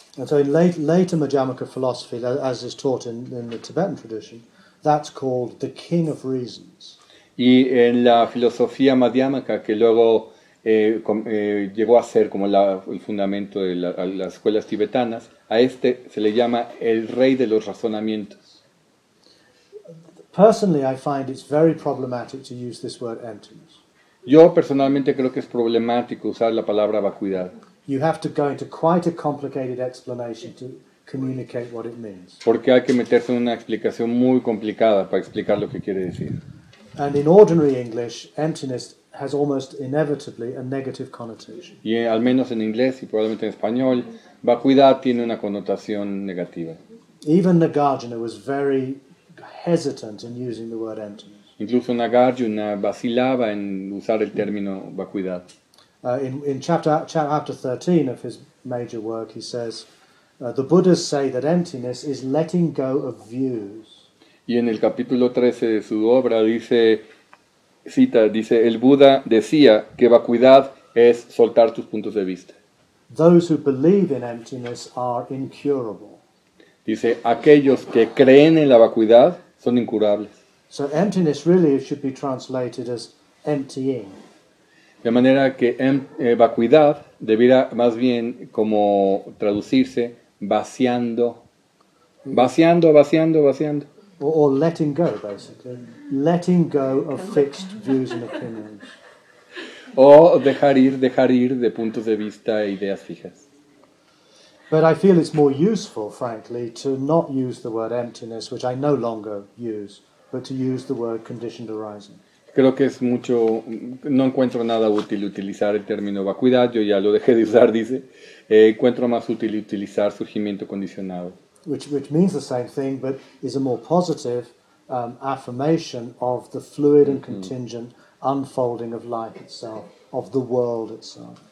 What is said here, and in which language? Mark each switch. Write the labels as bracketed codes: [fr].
[en] And so in later Madhyamaka philosophy, as is taught in the Tibetan tradition, that's called the king of reasons. [es] Y en la filosofía Madhyamaka, que luego llegó a ser como el fundamento de las escuelas tibetanas, a este se le llama el rey de los razonamientos. [en] Personally, I find it's very problematic to use this word emptiness. [es] Yo personalmente creo que es problemático usar la palabra vacuidad. [en] You have to go into quite a complicated explanation to communicate what it means. [es] Porque hay que meterse en una explicación muy complicada para explicar lo que quiere decir. [en] And in ordinary English, emptiness has almost inevitably a negative connotation. [es] Y al menos en inglés y probablemente en español, vacuidad tiene una connotación negativa. [en] Even Nagarjuna was very hesitant in using the word emptiness. [es] Incluso Nagarjuna vacilaba en usar el término vacuidad. [en] In chapter 13 of his major work, he says, the Buddhas say that emptiness is letting go of views. [es] Y en el capítulo 13 de su obra dice, cita, dice, el Buda decía que vacuidad es soltar tus puntos de vista. [en] Those who believe in emptiness are incurable. [es] Dice, aquellos que creen en la vacuidad son incurables. [en] So emptiness really should be translated as emptying. [es] De manera que vacuidad debiera más bien como traducirse vaciando. Vaciando, vaciando, vaciando. [en] Or letting go, basically. Letting go of fixed views and opinions. [es] O dejar ir de puntos de vista e ideas fijas. [en] But I feel it's more useful, frankly, to not use the word emptiness, which I no longer use, but to use the word conditioned arising. [es] Creo que es mucho, no encuentro nada útil utilizar el término vacuidad, yo ya lo dejé de usar, dice. Encuentro más útil utilizar surgimiento condicionado. [en] Which means the same thing, but is a more positive affirmation of the fluid and contingent unfolding of life itself, of the world itself.